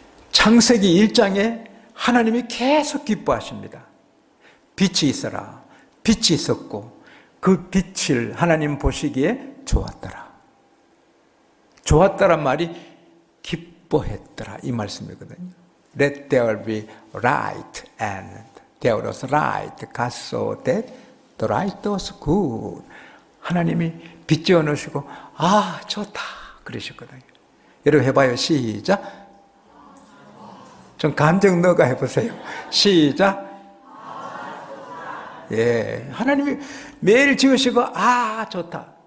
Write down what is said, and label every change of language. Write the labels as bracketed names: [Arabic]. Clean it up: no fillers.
[Korean] 창세기 1장에 하나님이 계속 기뻐하십니다. 빛이 있어라. 빛이 있었고 그 빛을 하나님 보시기에 좋았더라. 좋았다란 말이 기뻐했더라 이 말씀이거든요. [English] Let there be light and there was light. God saw that the light was good. [Korean] 하나님이 빛 지어놓으시고 아 좋다 그러셨거든요. 여러분 해봐요. 시작. 좀 감정 넣어가 해보세요. 시작. 예. 하나님이 매일 지으시고, 아, 좋다.